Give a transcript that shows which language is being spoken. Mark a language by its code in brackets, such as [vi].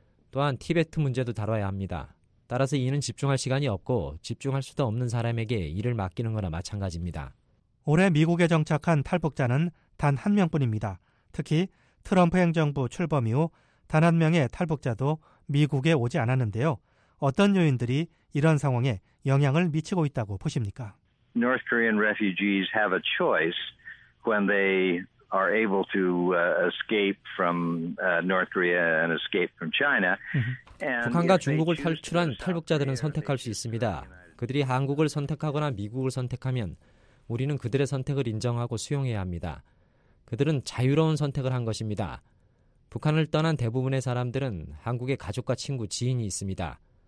[ko] 또한 티베트 문제도 다뤄야 합니다. 따라서 이는 집중할 시간이 없고 집중할 수도 없는 사람에게 일을 맡기는 거나 마찬가지입니다. 올해 미국에 정착한 탈북자는 단 한 명뿐입니다. 특히 트럼프 행정부 출범 이후 단 한 명의 탈북자도 미국에 오지 않았는데요. 어떤 요인들이 이런 상황에 영향을 미치고 있다고 보십니까? [en] North Korean refugees have a choice when they are able to escape from North Korea and escape from China. [ko] 북한과 중국을 탈출한 탈북자들은 선택할 수 있습니다. 그들이 한국을 선택하거나 미국을 선택하면 우리는 그들의 선택을 인정하고 수용해야 합니다. 그들은 자유로운 선택을 한 것입니다. 북한을 떠난 대부분의 사람들은 한국에 가족과 친구, 지인이 있습니다.